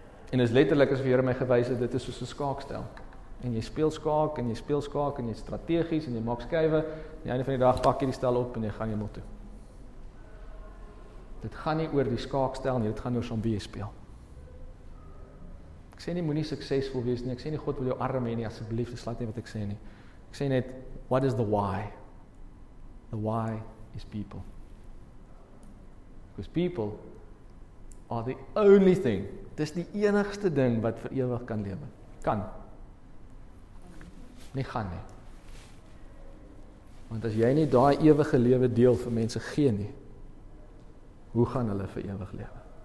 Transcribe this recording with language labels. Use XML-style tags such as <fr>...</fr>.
<af>En is letterlik as vir my gewys het, dit is soos 'n skaakstel. En jy speel skaak, en jy speel skaak, en jy strategies, en jy maak skuwe, en die einde van die dag pak jy die stel op, en jy gaan jy moet toe. Dit gaan nie oor die skaakstel nie, dit gaan oor wie jy speel. Ek sê nie, moet nie suksesvol wees nie, ek sê nie, God wil jou arm hê nie, asseblief, dis laat nie wat ek sê nie. Ek sê net,</af> <en>what is the why? The why is people. Because people are the only thing.</en> <af>Dis die enigste ding wat vir ewig kan lewe. Kan. Nie gaan nie. Want as jy nie daai ewige lewe deel vir mense gee nie, hoe gaan hulle vir ewig lewe?</af>